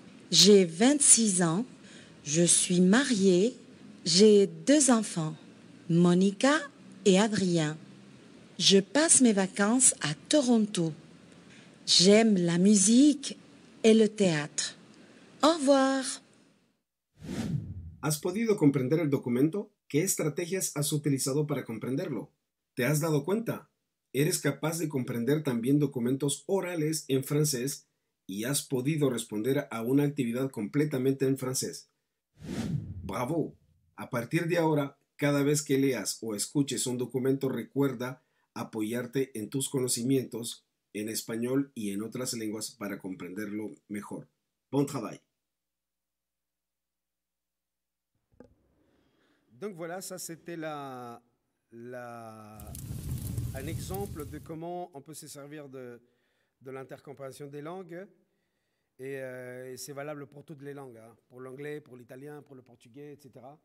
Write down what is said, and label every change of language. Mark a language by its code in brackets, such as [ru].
[fr] J'ai 26 ans, je suis mariée, j'ai deux enfants, Monica et Adrien. Je passe mes vacances à Toronto. J'aime la musique et le théâtre. Au revoir. [es] ¿Has podido comprender el documento? ¿Qué estrategias has utilizado para comprenderlo? ¿Te has dado cuenta? ¿Eres capaz de comprender también documentos orales en francés y has podido responder a una actividad completamente en francés? ¡Bravo! A partir de ahora, cada vez que leas o escuches un documento, recuerda apoyarte en tus conocimientos en español y en otras lenguas para comprenderlo mejor. [fr] ¡Bon travail! Donc voilà, ça c'était un exemple de comment on peut se servir de l'intercompréhension des langues. Et c'est valable pour toutes les langues, hein, pour l'anglais, pour l'italien, pour le portugais, etc.